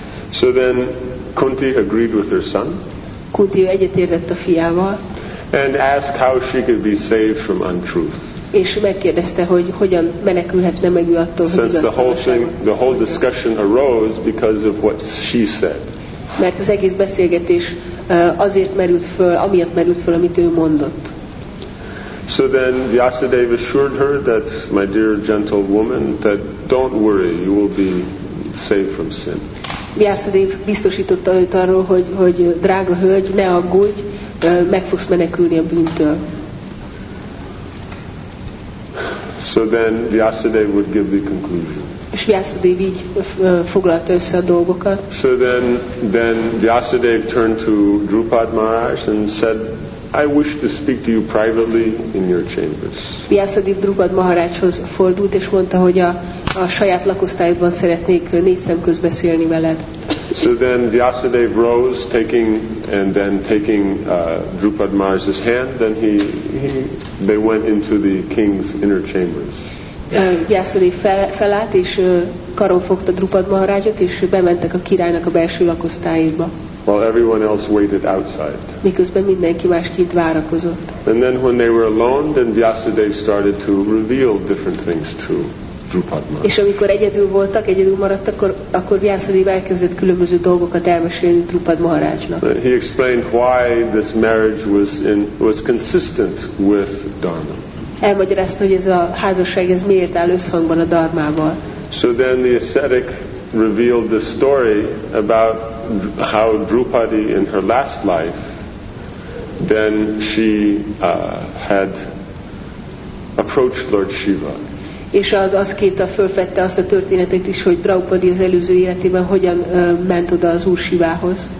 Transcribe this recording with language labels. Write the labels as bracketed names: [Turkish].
[English] So then Kunti agreed with her son. [Hungarian] Kunti egyetértett a fiával. [English] And asked how she could be saved from untruth. [Hungarian] És megkérdezte, hogy hogyan menekülhetne meg ő attól, hogy igazságot. [English] The whole discussion arose because of what she said. [Hungarian] Mert az egész beszélgetés azért merült föl, amiatt merült föl, amit ő mondott. [English] So then Vyasadeva assured her that, my dear gentle woman, that don't worry, you will be saved from sin. [Hungarian] Vyasadeva biztosította őt arról, hogy drága hölgy, ne aggódj, meg fogsz menekülni a bűntől. [English] So then Vyasadeva would give the conclusion. [Hungarian] És Vyasadeva így foglalta össze a dolgokat. [English] So then Vyasadeva turned to Drupad Maharaj and said, I wish to speak to you privately in your chambers. [Hungarian] Vyasadeva Drupad Maharajhoz fordult és mondta, hogy a saját lakosztályodban szeretnék négy szem közt beszélni veled. [English] So then Vyasadeva rose, taking Drupad Maharaj's hand, then they went into the king's inner chambers. [Hungarian] Vyasadeva felállt és karon fogta Drupad Maharajot és bementek a királynak a belső lakosztályába. [English] While everyone else waited outside. [Hungarian] Miközben mindenki más kint várakozott. [English] And then when they were alone, then Vyasadeva started to reveal different things to Drupad Maharaj. [Hungarian] És amikor egyedül voltak, egyedül maradtak, akkor Vyasadeva elkezdett különböző dolgokat elmesélni Drupad Maharajnak. [English] He explained why this marriage was consistent with Dharma. [Hungarian] Elmagyarázta, hogy ez a házasság ez miért áll összhangban a Dharmával. [English] So then the ascetic revealed the story about how Drupadi in her last life, then she had approached Lord Shiva. [Hungarian] És az aszkéta fölfedte azt a történetet is, hogy Draupadi az előző életében hogyan ment oda az Úr Sivához.